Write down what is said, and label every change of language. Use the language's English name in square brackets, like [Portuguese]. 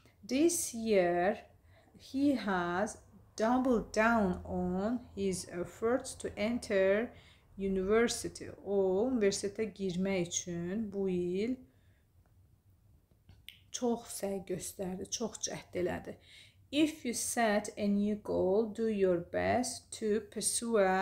[English] This year he has doubled down on his efforts to enter university. [Azerbaijani] O, universitetə girmək üçün bu il çox səy göstərdi, çox cəhd elədi. [English] If you set a new goal, do your best to pursue